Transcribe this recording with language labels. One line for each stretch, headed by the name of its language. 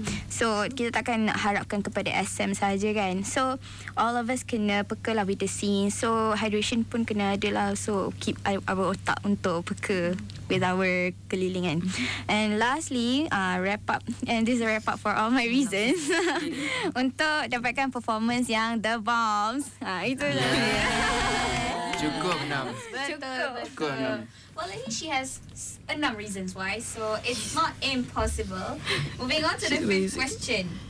Malay: So kita takkan nak harapkan kepada SM saja kan. So all of us kena peka lah with the scene. So hydration pun kena ada lah. So keep our otak untuk peka with our keliling kan.
English: And lastly, wrap up. And this is a wrap up for all my reasons.
Malay: Untuk dapatkan performance yang the bombs. Itu lah. Cukup 6. Cukup 6.
English: Well, I think she has a number of reasons why, so it's not impossible. Moving on to the fifth question.